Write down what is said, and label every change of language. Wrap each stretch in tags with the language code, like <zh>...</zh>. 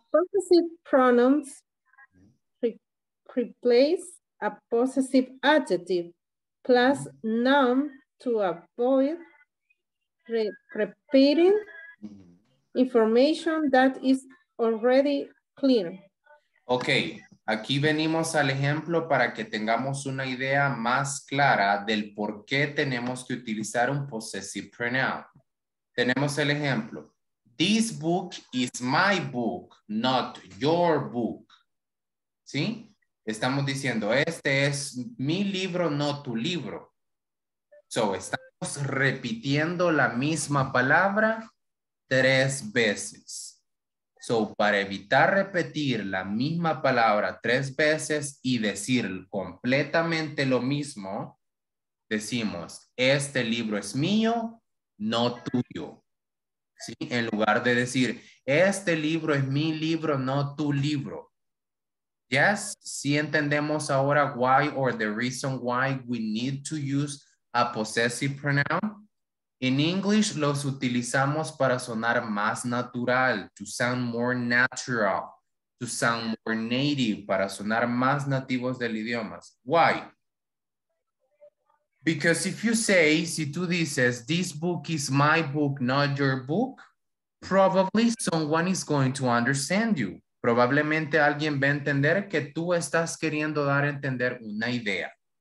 <en>Possessive pronouns replace a possessive adjective plus noun to avoid repeating information that is already clear.</en> <es>Okay, aquí venimos al ejemplo para que tengamos una idea más clara del por qué tenemos que utilizar un possessive pronoun. Tenemos el ejemplo.</es> <en>This book is my book, not your book.</en> <es>¿Sí? Estamos diciendo, este es mi libro, no tu libro. So, estamos repitiendo la misma palabra tres veces. So, para evitar repetir la misma palabra tres veces y decir completamente lo mismo, decimos, este libro es mío, no tuyo. ¿Sí? En lugar de decir, este libro es mi libro, no tu libro.</es> <en>Yes,</en> <es>sí entendemos ahora</es> <en>why or the reason why we need to use a possessive pronoun. In English,</en> <es>los utilizamos para sonar más natural,</es> <en>to sound more natural, to sound more native,</en> <es>para sonar más nativos del idioma.</es> <en>Why? Because if you say,</en> <es>si tú dices,</es> <en>this book is my book, not your book, probably someone is going to understand you.</en> <es>Probablemente alguien va a entender que tú estás queriendo dar a entender una idea.</es>